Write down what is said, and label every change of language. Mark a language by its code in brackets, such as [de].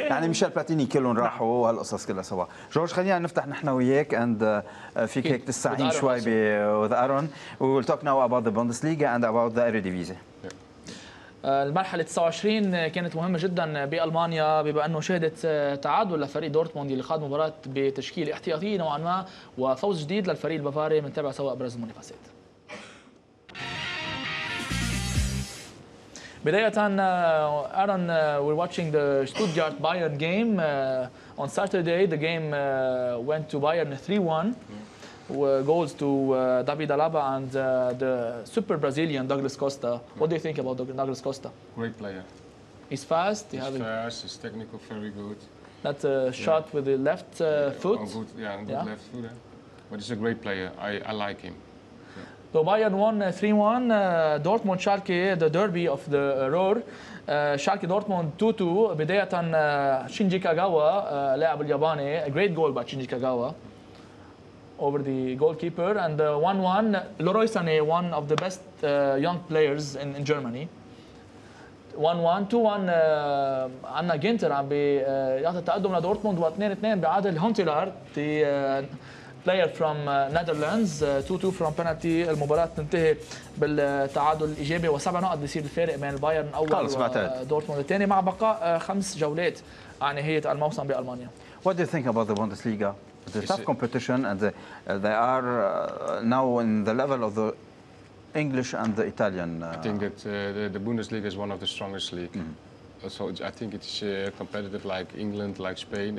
[ar] يعني ميشيل بلاتيني كلهم راحوا وهالقصص كلها سوا. جورج خلينا نفتح نحن وياك اند فيك هيك تستعين شوي [en] With Aaron, will talk now about the Bundesliga and about the Eredivisie. [ar] المرحلة 29 كانت مهمة جدا بألمانيا، بما أنه شهدت تعادل لفريق دورتموند اللي خاض مباراة بتشكيل احتياطي نوعا ما، وفوز جديد للفريق البافاري. منتابع سواء أبرز المنافسات. [en] بداية Aaron, we're watching the Stuttgart Bayern game on Saturday. The game went to Bayern 3-1. Goals to David Alaba and the super Brazilian Douglas Costa. Yeah. What do you think about Douglas Costa? Great player. He's fast. He's fast. He's technical. Very good. That shot with the left foot. Good left foot. Yeah. But he's a great player. I like him. So Bayern won 3-1. Dortmund Schalke, the derby of the Ruhr. Schalke Dortmund 2-2. [ar] بداية Shinji Kagawa, لاعب الياباني. [en] A great goal by Shinji Kagawa over the goalkeeper, and 1-1, Leroy Sané, one of the best young players in Germany. [ar] 1-1, 2-1, Anna Ginter عم بيعطي التقدم لدورتموند، و 2-2 بعادل هونتيلار, [en] the player from Netherlands, 2-2 from penalty. [ar] المباراة تنتهي بالتعادل الإيجابي، وسبع نقط بيصير الفارق بين البايرن الأول ودورتموند الثاني، مع بقاء خمس جولات عن نهاية الموسم بألمانيا. [en] What do you think about the Bundesliga? It's a tough competition, and they are now in the level of the English and the Italian. I think that the Bundesliga is one of the strongest league. Mm-hmm. So I think it's competitive like England, like Spain.